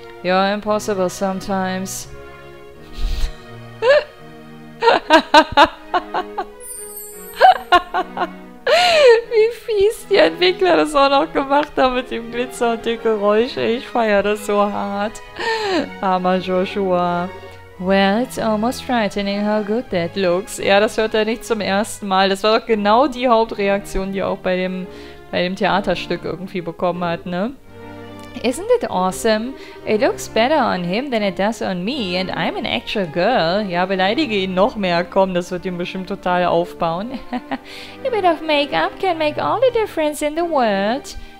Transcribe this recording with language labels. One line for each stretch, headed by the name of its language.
English: You're impossible sometimes.
German: Wie fies die Entwickler das auch noch gemacht haben mit dem Glitzer und dem Geräusch. Ich feiere das so hart. Armer Joshua.
English: Well, it's almost frightening how good that looks.
German: Ja, das hört er nicht zum ersten Mal. Das war doch genau die Hauptreaktion, die er auch bei dem Theaterstück irgendwie bekommen hat, ne?
English: Isn't it awesome? It looks better on him than it does on me, and I'm an actual girl.
German: Ja, beleidige ihn noch mehr, komm, das wird ihm bestimmt total aufbauen.
English: A bit of makeup can make all the difference in the world.